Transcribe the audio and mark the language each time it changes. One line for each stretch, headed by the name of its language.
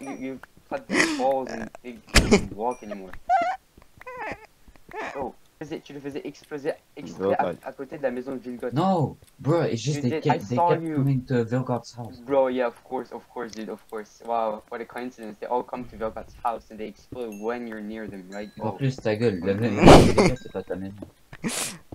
English: You cut the balls and they don't walk anymore. Oh.
French: Tu le faisais exploser à côté de la maison de Vilgotte.
English: No, bro, it's just they kept coming to Vilgotte's house. Bro, yeah, of course, dude, of course. Wow, what a coincidence. They all come to Vilgotte's house and they explode when you're near them, right?
French: En plus, ta gueule, la maison, c'est pas ta maison.